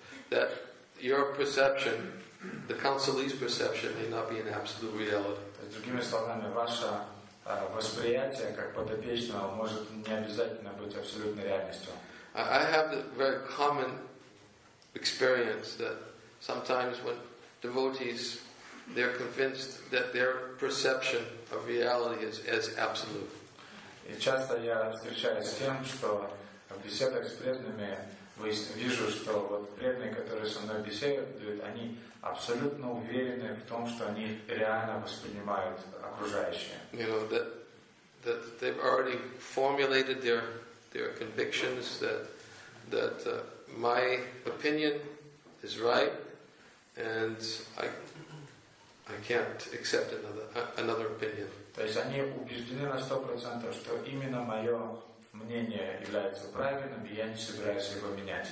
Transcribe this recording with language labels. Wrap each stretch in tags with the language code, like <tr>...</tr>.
<en>That your perception, the counselee's perception, may not be an absolute reality.</en> <ru>Другими словами, ваша восприятие как подопечного может не обязательно быть абсолютной реальностью.</ru> <en>I have the very common experience that sometimes when devotees, they're convinced that their perception of reality is as absolute.</en> <ru>И часто я встречаюсь с тем, что в беседах с преданными вижу, что вот преданные, которые со мной беседуют, они абсолютно уверены в том, что они реально воспринимают окружающее.</ru> <en>You know, that they've already formulated their convictions that my opinion is right and I can't accept another opinion.</en> <ru>То есть они убеждены на 100%, что именно мое мнение является правильным, и я не собираюсь его менять.</ru>